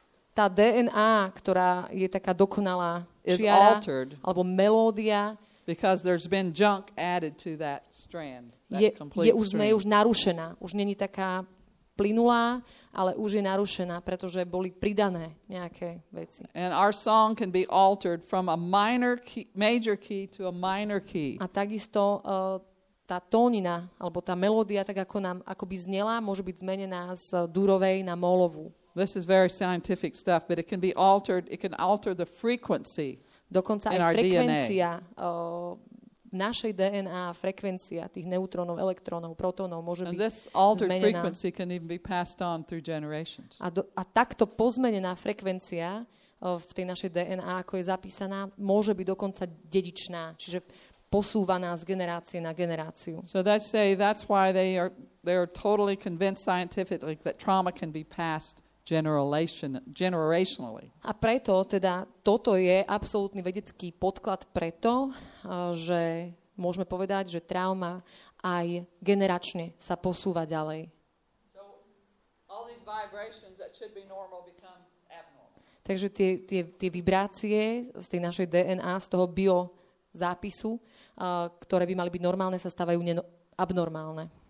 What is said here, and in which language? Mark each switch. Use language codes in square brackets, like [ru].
[sk] tá DNA, ktorá je taká dokonalá čiara, [en] is altered [sk] alebo melódia, [en] because there's been junk added to that strand, that [sk] je už narušená, už není taká plynulá, ale už je narušená, pretože boli pridané nejaké veci. [en] And our song can be altered from a minor key, major key to a minor key. [sk] A takisto tá tónina alebo tá melódia, tak ako nám akoby znela, môže byť zmenená z durovej na molovú. [en] This is very scientific stuff, but it can be altered, it can alter the frequency. [sk] Dokonca aj frekvencia našej DNA, frekvencia tých neutrónov, elektrónov, protónov môže [en] and [sk] byť zmenená. [en] Frequency can even be passed on through generations. [sk] A takto pozmenená frekvencia v tej našej DNA, ako je zapísaná, môže byť dokonca dedičná, čiže posúvaná z generácie na generáciu. [en] So they say that's why they are totally convinced scientifically that trauma can be passed generationally. [sk] A preto teda toto je absolútny vedecký podklad preto, že môžeme povedať, že trauma aj generačne sa posúva ďalej. [en] So all these vibrations that should be normal become abnormal. [sk] Takže tie vibrácie z tej našej DNA, z toho bio zápisu, ktoré by mali byť normálne, sa stávajú abnormálne.